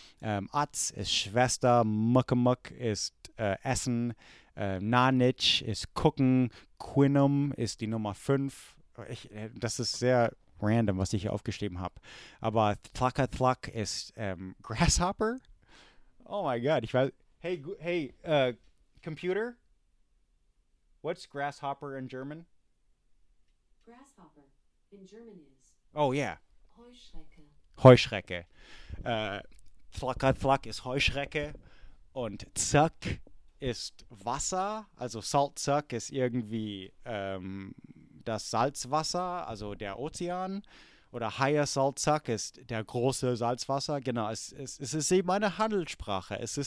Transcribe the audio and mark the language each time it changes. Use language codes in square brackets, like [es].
[de] Atz ist Schwester, Muckamuck ist Essen. Nanich ist gucken, Quinum ist die Nummer 5. Das ist sehr random, was ich hier aufgeschrieben habe. Aber Thlaka Thluck ist Grasshopper. [en] Oh my God, [de] ich weiß. [en] Hey, Computer, what's Grasshopper in German? Grasshopper in German is. Oh yeah. [de] Heuschrecke. Heuschrecke. Thlaka Thluck ist Heuschrecke. Und Zuck ist Wasser, also Saltzuck ist irgendwie das Salzwasser, also der Ozean. Oder Higher Saltzuck ist der große Salzwasser. Genau, es ist eben eine Handelssprache.